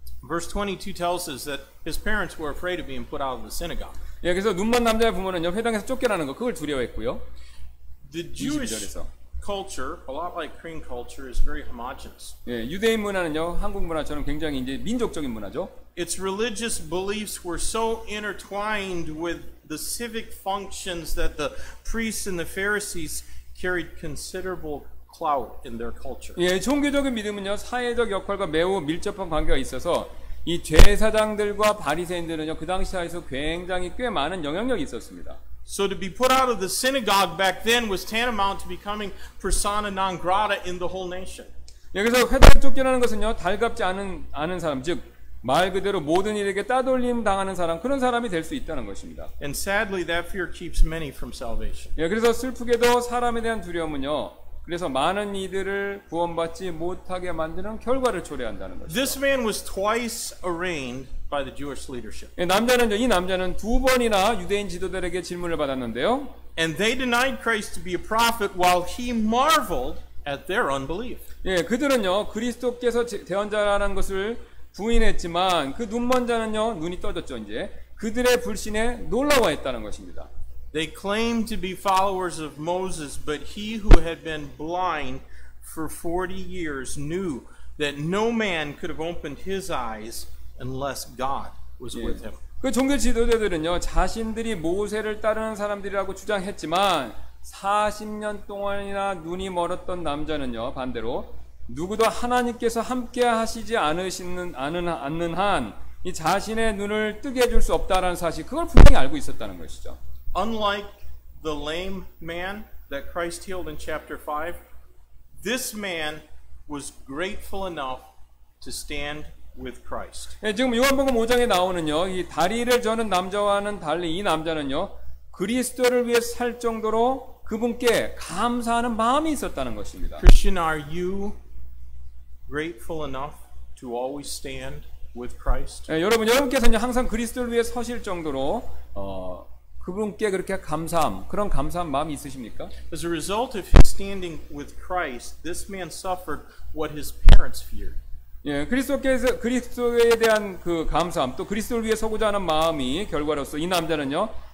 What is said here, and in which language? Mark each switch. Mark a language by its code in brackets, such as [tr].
[en] Verse 22 tells us that his parents were afraid of being put out of the synagogue. [ko] 예, 그래서 눈먼 남자의 부모는요 회당에서 쫓겨나는 거 그걸 두려워했고요. [en] The Jewish culture, a lot like Korean culture, is very homogenous. [ko] 예, 유대인 문화는요 한국 문화처럼 굉장히 이제 민족적인 문화죠. [en] Its religious beliefs were so intertwined with the civic functions that the priests and the Pharisees carried considerable clout in their culture. [ko] 예, 종교적인 믿음은요 사회적 역할과 매우 밀접한 관계가 있어서 이 제사장들과 바리새인들은요 그 당시 사회에서 굉장히 꽤 많은 영향력이 있었습니다. [en] So to be put out of the synagogue back then was tantamount to becoming persona non grata in the whole nation. [ko] 여기서 회당을 쫓겨나는 것은요 달갑지 않은 사람, 즉 말 그대로 모든 일에게 따돌림 당하는 사람, 그런 사람이 될 수 있다는 것입니다. [en] And sadly, that fear keeps many from salvation. [ko] 예, 그래서 슬프게도 사람에 대한 두려움은요, 그래서 많은 이들을 구원받지 못하게 만드는 결과를 초래한다는 것입니다. [en] This man was twice arraigned by the Jewish leadership. [ko] 예, 이 남자는 두 번이나 유대인 지도들에게 질문을 받았는데요. [en] And they denied Christ to be a prophet while he marveled at their unbelief. [ko] 예, 그들은요, 그리스도께서 대언자라는 것을 부인했지만 그 눈먼 자는요 눈이 떠졌죠 이제 그들의 불신에 놀라워했다는 것입니다. [en] They claimed to be followers of Moses, but he who had been blind for 40 years knew that no man could have opened his eyes unless God was with him. [ko] 그 종교 지도자들은요 자신들이 모세를 따르는 사람들이라고 주장했지만 40년 동안이나 눈이 멀었던 남자는요 반대로 누구도 하나님께서 함께 하시지 않는 한 이 자신의 눈을 뜨게 해줄 수 없다라는 사실 그걸 분명히 알고 있었다는 것이죠. [en] Unlike the lame man that Christ healed in chapter 5, this man was grateful enough to stand with Christ. [ko] 예, 지금 요한복음 5장에 나오는요 이 다리를 저는 남자와는 달리 이 남자는요 그리스도를 위해 살 정도로 그분께 감사하는 마음이 있었다는 것입니다. [en] Christian, are you grateful enough to always stand with Christ? [ko] 예, 여러분께서는 항상 그리스도를 위해 서실 정도로 그분께 그렇게 감사한 마음이 있으십니까? [en] As a result of his standing with Christ, this man suffered what his parents feared. [ko] 예, 그리스도에 대한 그 감사함, 또 그리스도를 위해 서고자 하는 마음이 결과로서 이 남자는요.